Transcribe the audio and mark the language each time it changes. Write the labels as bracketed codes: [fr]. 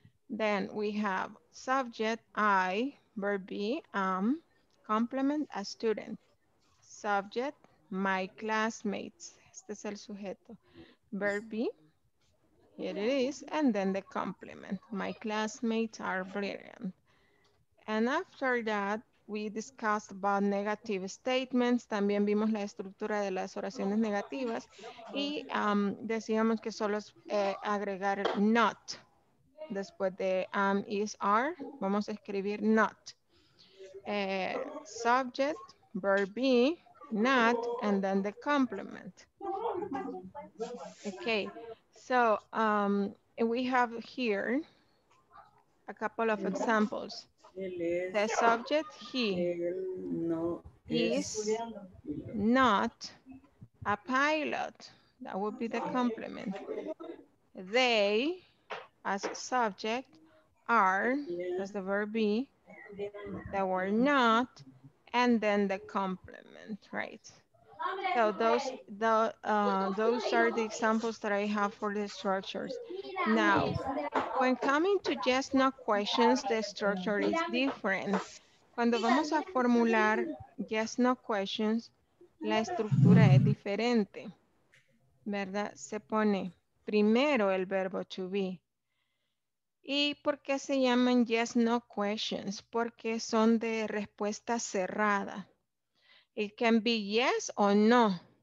[en] Then we have subject, I, verb be, am, complement, a student. Subject, my classmates. Este es el sujeto. Verb be, here it is. And then the complement. My classmates are brilliant. And after that, We discussed about negative statements. [es] También vimos la estructura de las oraciones negativas. Y decíamos que solo es agregar not. Después de am, is, are, vamos a escribir not. [en] Subject, verb be, not, and then the complement. Okay, so we have here a couple of examples. The subject, he, is not a pilot. That would be the complement. They, as subject, are, as the verb be, they were not, and then the complement, right? So those are the examples that I have for the structures. Now, when coming to yes, no questions, the structure is different. [es] Cuando vamos a formular yes, no questions, la estructura es diferente, ¿verdad? Se pone primero el verbo to be. ¿Y por qué se llaman yes, no questions? Porque son de respuesta cerrada. It can be yes o no.